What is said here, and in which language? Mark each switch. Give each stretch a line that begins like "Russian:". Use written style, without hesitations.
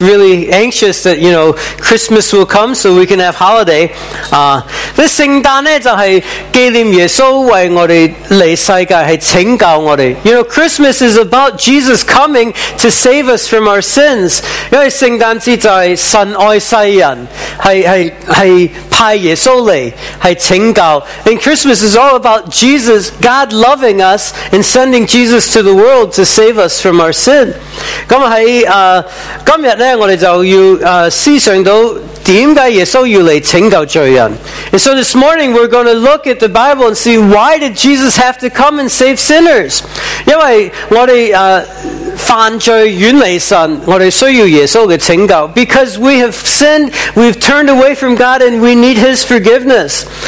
English: really anxious that, you know, Christmas will come so we can have holiday.
Chinese: 聖誕就是紀念耶穌為我們來世界拯救我們.
English: You know, Christmas is about Jesus coming to save us from our sins.
Chinese: 因為聖誕節就是神愛世人，是派耶穌來拯救.
English: And Christmas is all about Jesus, God loving us and sending Jesus to the world to save us from our sin.
Chinese: 今天我们就要思想到为什么耶稣要来拯救罪人。
English: And so this morning we're going to look at the Bible and see why did Jesus have to come and save sinners?
Chinese: 因为我们犯罪远离神，我们需要耶稣的拯救。
English: Because we have sinned, we've turned away from God and we need His forgiveness.